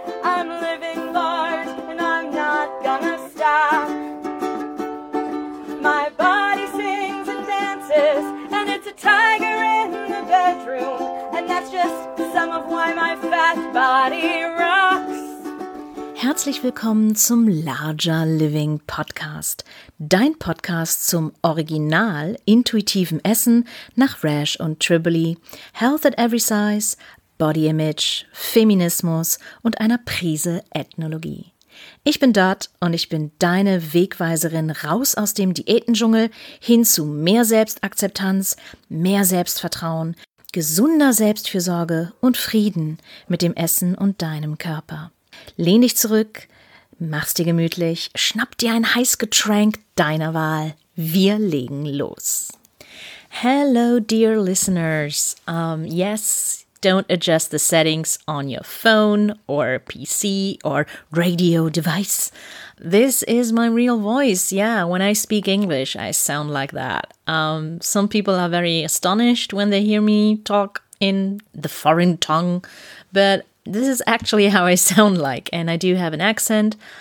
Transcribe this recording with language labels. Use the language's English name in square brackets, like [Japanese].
[English] I'm living large and I'm not gonna stop. My body sings and dances and it's a tiger in the bedroom. And that's just some of why my fat body rocks. [German] Herzlich willkommen zum Larger Living Podcast, dein Podcast zum original intuitiven Essen nach Rash und Triboli, Health at Every Size, Body Image, Feminismus und einer Prise Ethnologie. Ich bin Dot und ich bin deine Wegweiserin raus aus dem Diätendschungel hin zu mehr Selbstakzeptanz, mehr Selbstvertrauen, gesunder Selbstfürsorge und Frieden mit dem Essen und deinem Körper. Lehn dich zurück, mach's dir gemütlich, schnapp dir ein Heißgetränk deiner Wahl. Wir legen los. [English] Hello, dear listeners. Yes, don't adjust the settings on your phone or PC or radio device. This is my real voice. Yeah, when I speak English, I sound like that. Some people are very astonished when they hear me talk in the foreign tongue, but this is actually how I sound like, and I do have an accent.